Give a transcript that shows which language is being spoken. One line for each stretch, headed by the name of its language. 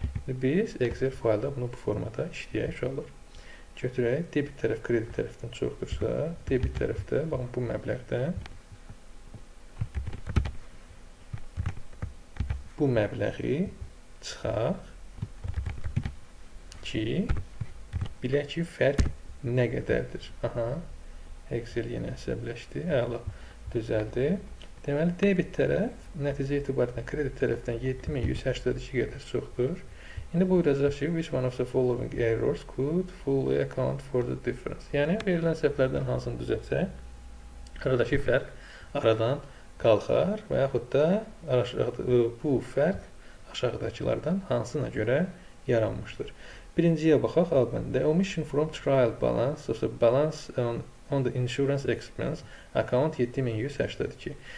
Azerbaijani: Biz Excel faylda bunu bu formada işləyək. Götürək, debit tərəf, kredit tərəfdən çoxdursa, debit tərəfdə, baxın, bu məbləğdə bu məbləği çıxaq. Ki, bilək ki, fərq nə qədərdir. Aha, Excel yenə əsəbləşdi. Əla, düzəldi. Deməli, debit tərəf, nəticə itibarilə kredit tərəfdən 7182 qədər çoxdur. İndi buyuracaq ki,
English: which one of the following errors could fully account for the difference?
Azerbaijani: Yəni, verilən səhvlərdən hansını düzəltsək, aradakı fərq aradan qalxar və yaxud da bu fərq aşağıdakılardan hansına görə yaranmışdır. Birinciye baxaq, albende.
English: Omission from trial balance, so balance on the insurance expense account 7182.